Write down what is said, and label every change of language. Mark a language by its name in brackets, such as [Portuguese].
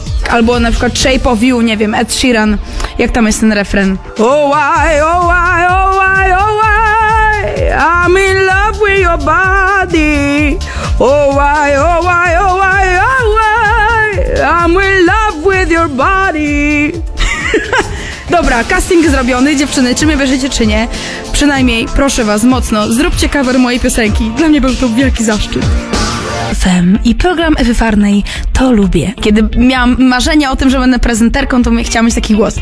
[Polish] albo na przykład Shape of You, nie wiem, Ed Sheeran, jak tam jest ten refren? [English] Oh why, oh why, oh why, oh why, I'm in love with your body. Oh why, oh why, oh why, oh why, I'm in love with your body. [Polish] Dobra, casting zrobiony, dziewczyny, czy mnie wierzycie, czy nie? Przynajmniej, proszę was, mocno, zróbcie cover mojej piosenki. Dla mnie był to wielki zaszczyt. FM i program Ewy Farnej, to lubię. Kiedy miałam marzenia o tym, że będę prezenterką, to chciałam mieć taki głos.